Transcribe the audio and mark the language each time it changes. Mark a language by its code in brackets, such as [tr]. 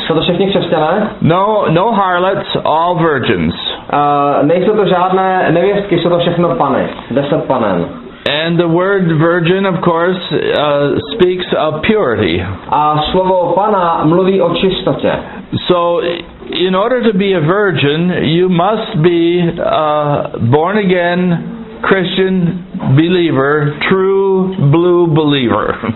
[cs] Jsou to všichni křesťané? [en] No harlots, all virgins. [cs] Nejsou to žádné nevěstky, jsou to všechno pany, deset panen. [en] And the word virgin, of course, speaks of purity. [cs] A slovo pana mluví o čistotě. [en] So, in order to be a virgin, you must be born again Christian believer, true blue believer.